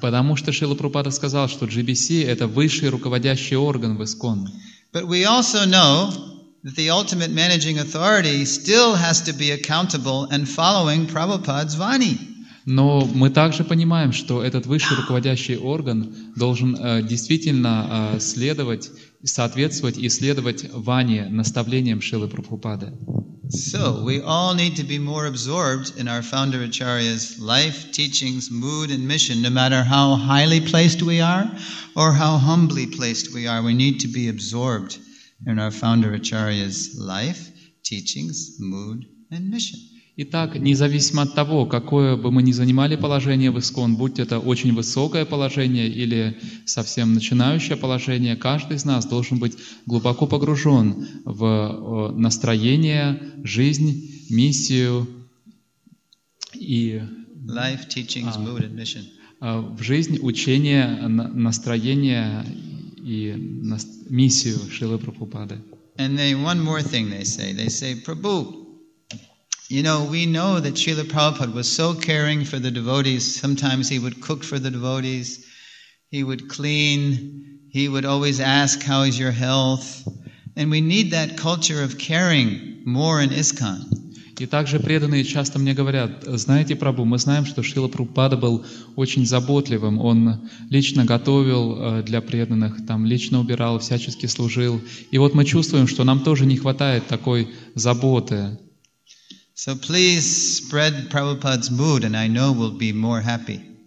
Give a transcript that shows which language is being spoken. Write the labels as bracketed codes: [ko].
[ru] Потому что Шрила Прабхупада сказал, что GBC это высший руководящий орган в ИСКОН. [en] But we also know that the ultimate managing authority still has to be accountable and following Prabhupada's vani. [ru] Но мы также понимаем, что этот высший руководящий орган должен действительно следовать, соответствовать и следовать вани, наставлениям Шрилы Прабхупады. [en] So we all need to be more absorbed in our founder acharya's life, teachings, mood and mission, no matter how highly placed we are or how humbly placed we are. We need to be absorbed in our founder acharya's life, teachings, mood and mission. [ru] Итак, независимо от того, какое бы мы ни занимали положение в ИСКОН, будь это очень высокое положение или совсем начинающее положение, каждый из нас должен быть глубоко погружен в настроение, жизнь, миссию и [en] life, teachings, mood and mission. [ru] В жизнь, учение, настроение и миссию Шрилы Прабхупады. [en] And they, one more thing they say, Prabhu, you know, we know that Srila Prabhupada was so caring for the devotees. Sometimes he would cook for the devotees, he would clean, he would always ask, how is your health? And we need that culture of caring more in ISKCON. [ru] И также преданные часто мне говорят, знаете, Прабху, мы знаем, что Шрила Прабхупада был очень заботливым. Он лично готовил для преданных, там, лично убирал, всячески служил. И вот мы чувствуем, что нам тоже не хватает такой заботы. [en] So please spread Prabhupada's mood and I know we'll be more happy.